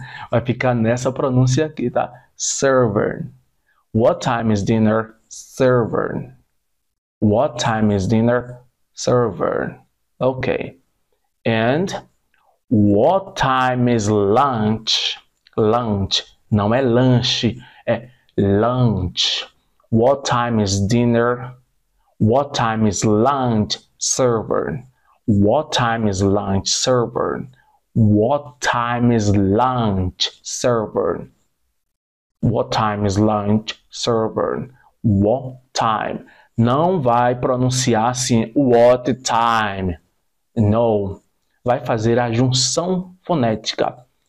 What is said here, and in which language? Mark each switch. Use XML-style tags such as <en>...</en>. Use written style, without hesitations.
<pt>Vai ficar nessa pronúncia aqui, tá?</pt> <en>Server. What time is dinner served? What time is dinner served? Okay. And what time is lunch? Lunch.</en> <pt>Não é lanche, é</pt> <en>lunch. What time is dinner? What time is lunch served? What time is lunch served? What time is lunch served? What time is lunch served? What time?</en> <pt>Não vai pronunciar assim,</pt> <en>what time. No.</en> <pt>Vai fazer a junção fonética.</pt>